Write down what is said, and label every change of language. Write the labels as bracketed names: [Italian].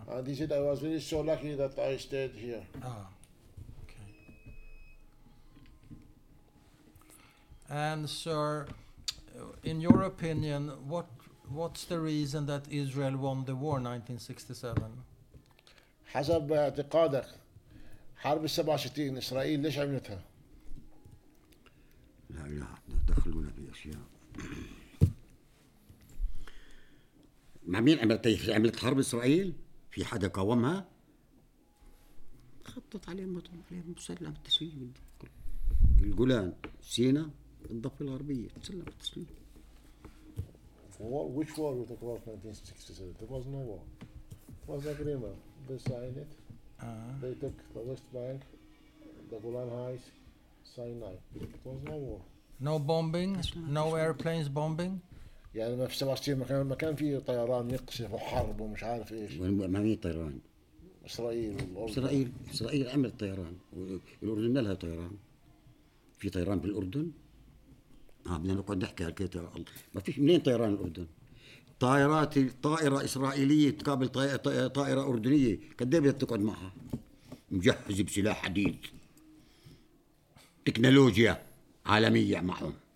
[English] And he said, I was really so lucky that I stayed here. And sir, in your opinion, what's the reason that Israel won the war 1967? [Arabic] حسب اعتقادك حرب 67 إسرائيل ليش عملتها؟ لا دخلونا بأشياء. مع مين عملت حرب إسرائيل؟ في حدا قاومها؟ خطط عليهم مسلم التسليم الجولان سينا. الضفة الغربية تسلم التسليم. [English] War? Which war you talk about 1967? There was no war. It was agreement. They signed it. They took the West Bank, the Golan Heights, Sinai. It was no war. No bombing? No airplanes bombing? [Arabic] يعني ما في 67 ما كان فيه طيران يقصف وحرب ومش عارف ايش. ما في طيران. إسرائيل والأردن. إسرائيل عملت طيران، والأردن ما لها طيران. في طيران بالأردن؟ آه بدنا نقعد نحكي هالكيت، ما فيش منين طيران الأردن؟ طائرات، طائرة إسرائيلية تقابل طائرة أردنية، كده بدك تقعد معها؟ مجهز بسلاح حديد، تكنولوجيا عالمية معهم.